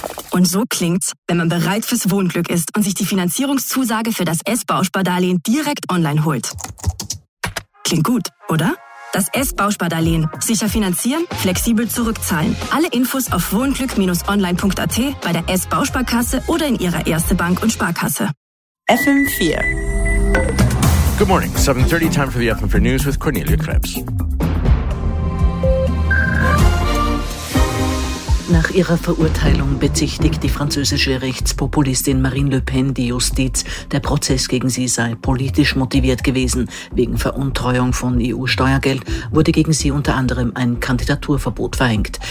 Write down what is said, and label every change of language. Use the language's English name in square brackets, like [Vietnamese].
[German] Und so klingt's, wenn man bereit fürs Wohnglück ist und sich die Finanzierungszusage für das S-Bauspardarlehen direkt online holt. Klingt gut, oder? Das S-Bauspardarlehen. Sicher finanzieren, flexibel zurückzahlen. Alle Infos auf wohnglück-online.at, bei der S-Bausparkasse oder in Ihrer Erste Bank und Sparkasse. FM4. [English] Good morning, 7:30, time for the FM4 News with Cornelia Krebs. [German] Nach ihrer Verurteilung bezichtigt die französische Rechtspopulistin Marine Le Pen die Justiz, der Prozess gegen sie sei politisch motiviert gewesen. Wegen Veruntreuung von EU-Steuergeld wurde gegen sie unter anderem ein Kandidaturverbot verhängt.